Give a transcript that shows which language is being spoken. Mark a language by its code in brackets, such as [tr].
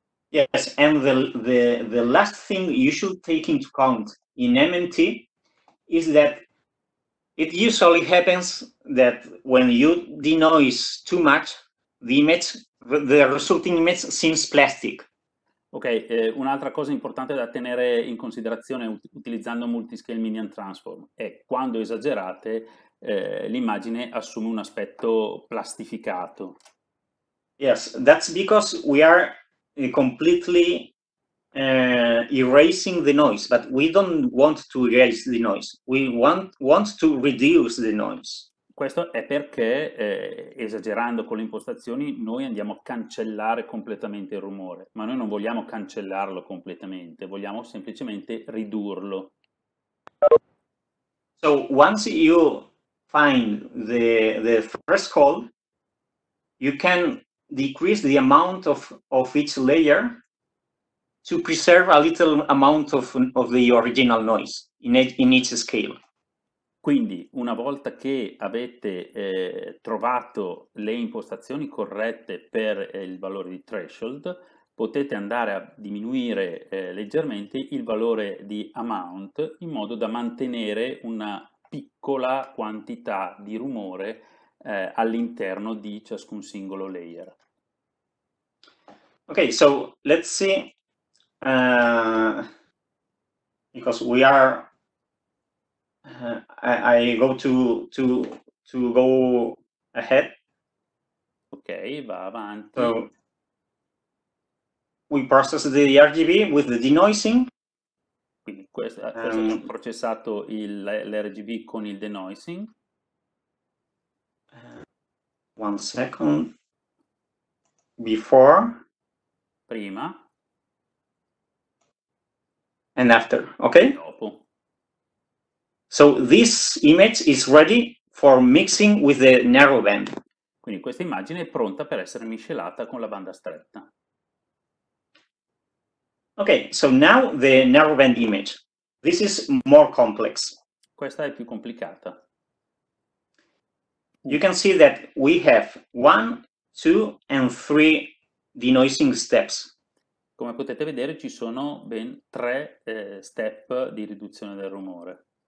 [en] Yes, and the last thing you should take into account in MMT is that it usually happens that when you denoise too much, the resulting image seems plastic. [it] Ok, un'altra cosa importante da tenere in considerazione utilizzando multiscale minion transform è quando esagerate l'immagine assume un aspetto plastificato. [en] Yes, that's because we are completely erasing the noise, but we don't want to erase the noise. We want to reduce the noise. [it] Questo è perché esagerando con le impostazioni noi andiamo a cancellare completamente il rumore, ma noi non vogliamo cancellarlo completamente, vogliamo semplicemente ridurlo. [en] So once you find the threshold, you can decrease the amount of each layer to preserve a little amount of the original noise in each scale. [it] Quindi, una volta che avete trovato le impostazioni corrette per il valore di threshold, potete andare a diminuire leggermente il valore di amount in modo da mantenere una piccola quantità di rumore all'interno di ciascun singolo layer. [en] Ok, so let's see, because we are I go to go ahead. [it] Okay, va avanti. [en] So we process the RGB with the denoising. [it] Quindi questo abbiamo processato l'RGB con il denoising. [en] One second. Before. [it] Prima. [en] And after, okay? [it] Dopo. [en] So this image is ready for mixing with the narrow band. [it] Quindi questa immagine è pronta per essere miscelata con la banda stretta. [en] Okay, so now the narrow band image. This is more complex. [it] Questa è più complicata. [en] You can see that we have one, two, and three denoising steps. [it] Come potete vedere, ci sono ben tre step di riduzione del rumore.